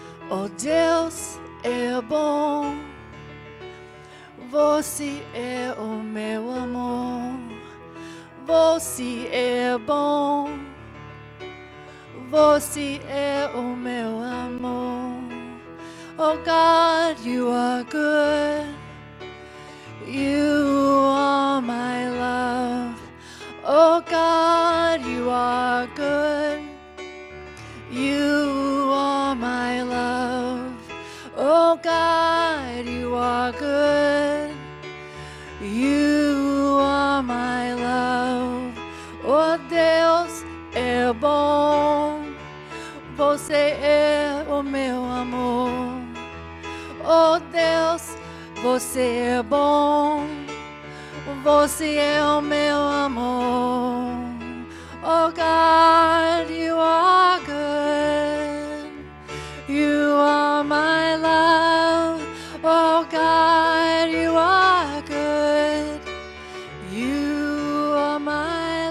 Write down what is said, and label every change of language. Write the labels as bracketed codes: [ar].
[pt] Oh Deus, é bom, você é o meu amor. Você é bom, você é o meu amor. [en] Oh God, you are good, you are my love. Oh God, you are good, you are my love. Oh God, you are good, you are my love. [pt] Oh Deus é bom, você é o meu amor. Oh Deus, você é bom, você é o meu amor. [en] Oh God, you are good, you are my love. Oh God, you are good, you are my